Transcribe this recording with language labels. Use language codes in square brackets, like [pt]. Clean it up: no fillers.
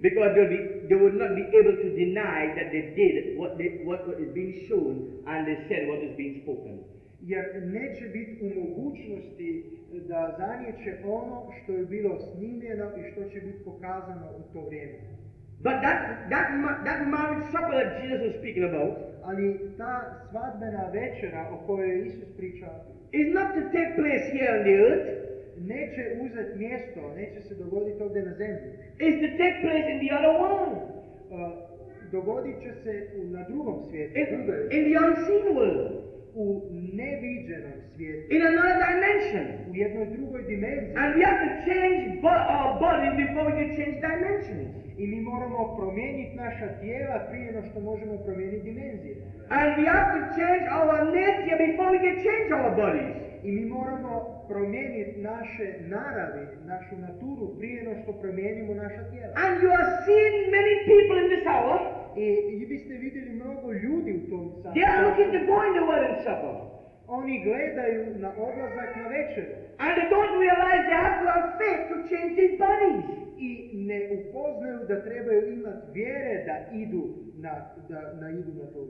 [en] Because they would not be able to deny that they did what is being shown and they said what is being spoken. [hr] Jer neće biti u mogućnosti da zaniječe ono što je bilo snimljeno i što će biti pokazano u to vrijeme. [en] But that marriage supper that Jesus was speaking about. [hr] Ali ta svadbena večera o kojoj je Isus pričao. [en] Is not to take place here on the earth. [hr] Neće uzeti mjesto, neće se dogoditi ovdje na zemlji. [en] Is to take place in the other world. [hr] dogodit će se u na drugom svijetu. [en] In the unseen world. [hr] U neviđenom svijetu. [en] In another dimension. [hr] U jednoj drugoj dimenziji. [en] And we have to change our body before we can change dimensions. [hr] I mi moramo promijeniti naša tijela prije no što možemo promijeniti dimenzije. [en] And we have to change our nature before we can change our bodies. [hr] I mi moramo promijeniti naše naravi, našu naturu prije no što promijenimo naša tijela. [en] And you have seen many people in this hour. [hr] I biste vidjeli mnogo ljudi u tom sadu. [en] They are looking to go in the world and suffer. [hr] Oni gledaju na odlazak na večer. [en] And they don't realize they have to have faith to change their bodies. [hr] I ne upoznaju da trebaju imati vjere da idu na idu na to.